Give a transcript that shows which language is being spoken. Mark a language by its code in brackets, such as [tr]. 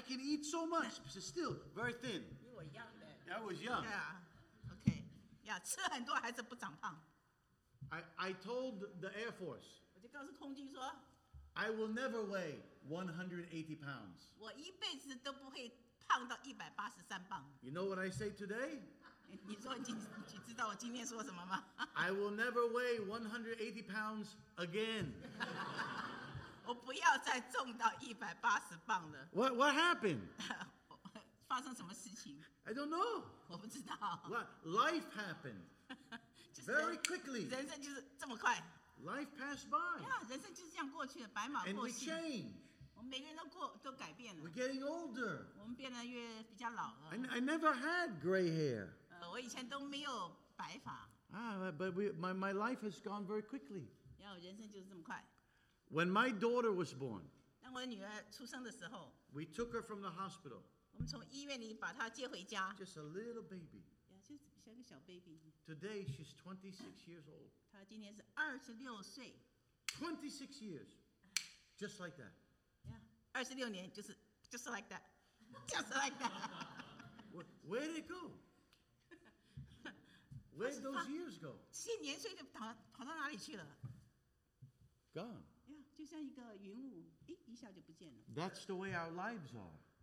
[en] can eat so much, but still very thin. [zh] 因为我 [en] young 的。I was young. [zh] Yeah. Okay. Yeah. 吃很多还是不长胖。 [en] I told the Air Force. [zh] 我就告诉空军说。 [en] I will never weigh 180 pounds. [zh] 我一辈子都不会胖到183磅。 [en] You know what I say today? [zh] 你说你知道我今天说什么吗？ [en] I will never weigh 180 pounds again. [zh] 我不要再重到180磅了。 [en] What happened? [zh] 发生什么事情? [en] I don't know. [zh] 我不知道。 [en] Life happened. [zh] 就是, [en] very quickly. [zh] 人生就是这么快。 [en] Life passed by. [zh] Yeah, 人生就是这样过去了, 白马过去。 [en] And we change. [zh] 我们每个人都改变了。 [en] We're getting older. [zh] 我们变得越比较老了。 [en] I never had gray hair. [zh] 我以前都没有白发。 [en] But my life has gone very quickly. [zh] Yeah, 人生就是这么快。 [en] When my daughter was born, [zh] 当我女儿出生的时候, [en] we took her from the hospital. [zh] 我们从医院里把她接回家, [en] just a little baby. [zh] Yeah, 就像个小baby. [en] Today, she's 26 years old. [zh] 她今年是26岁, [en] 26 years, just like that. Yeah, [zh] 26年, [en] just like that. Just like that. Where did it go? Where did those years go? [zh] 七年岁就跑到哪里去了? [en] Gone. [zh] 就像一个云雾, 诶, [en] that's the way our lives are.